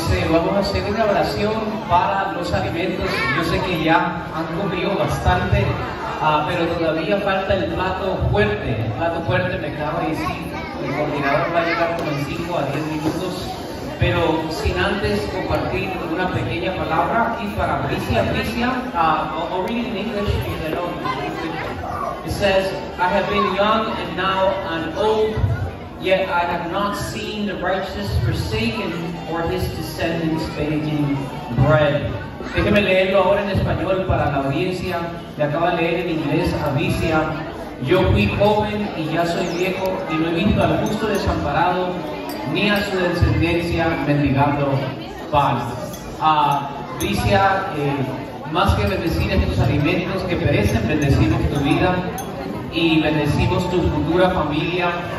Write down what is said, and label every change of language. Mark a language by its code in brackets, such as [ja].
[es] vamos a hacer una oración para los alimentos. Yo sé que ya han comido bastante, pero todavía falta el plato fuerte. El plato fuerte me acaba de decir, el coordinador va a llegar como en 5 a 10 minutos. Pero sin antes compartir una pequeña palabra aquí para Bricia. [en] Bricia, I'll read in English and then I'll read in English. It says, I have been young and now I'm old, yet I have not seen the righteous forsaken or his descendants begging bread. [es] Déjeme leerlo ahora en español para la audiencia. Le acaba de leer en inglés a Bricia. Yo fui joven y ya soy viejo y no he visto al justo desamparado ni a su descendencia mendigando pan. Bricia, más que bendecir estos alimentos que perecen, bendecimos tu vida y bendecimos tu futura familia.